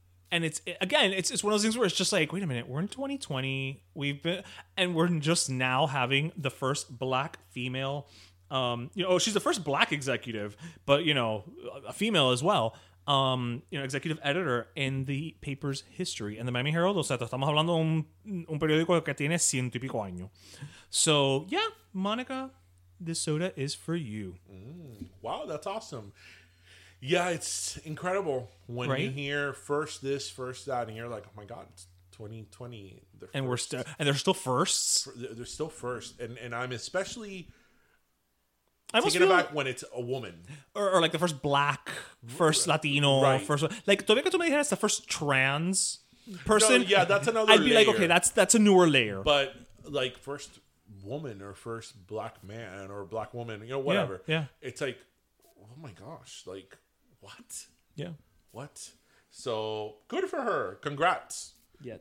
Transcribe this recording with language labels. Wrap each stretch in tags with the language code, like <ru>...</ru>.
<en>And it's one of those things where it's just like, wait a minute, we're in 2020, we're just now having the first black female, she's the first black executive, but you know, a female as well, executive editor in the paper's history.</en> <es>And the Miami Herald, o sea, estamos hablando un periódico que tiene ciento y pico años.</es> <en>So yeah, Monica, this soda is for you. Mm, wow, that's awesome. Yeah, it's incredible when you hear first this, first that, and you're like, oh my God, it's 2020. And they're still firsts? They're still first. And I'm especially taken aback when it's a woman. Or like the first black, first Latino, first. Like,</en> <es>todavía que tú me dijeras,</es> <en>the first trans person. No, yeah, that's another layer. I'd be like, okay, that's a newer layer. But like first woman or first black man or black woman, you know, whatever. Yeah. It's like, oh my gosh, like. What? Yeah. What? So, good for her. Congrats. Yeah.</en>